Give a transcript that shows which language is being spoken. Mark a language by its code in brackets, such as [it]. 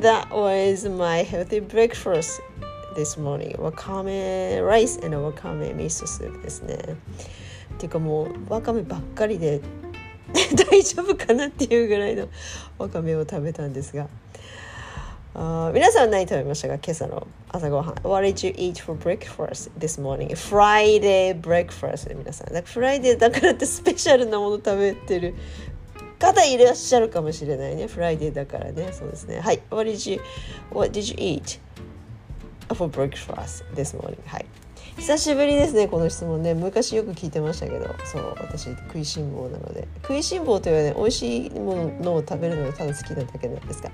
[en] That was my healthy breakfast this morning. Wakame rice and wakame miso soup ですね。 [ja] てかもうわかめばっかりで大丈夫かなっていうぐらいのわかめを食べたんですが、皆さんは何食べましたか？今朝の朝ごはん。 [en] What did you eat for breakfast this morning? Friday breakfast 皆さん。 [ja] なんかフライデーだからってスペシャルなもの食べてる方いらっしゃるかもしれないね。フライデーだからね。そうですね。はい。 [en] What did you eat for breakfast this morning? [ja] はい。久しぶりですね、この質問ね。昔よく聞いてましたけど、そう、私、食いしん坊なので。食いしん坊というのはね、美味しいものを食べるのがただ好きなだけなんですが。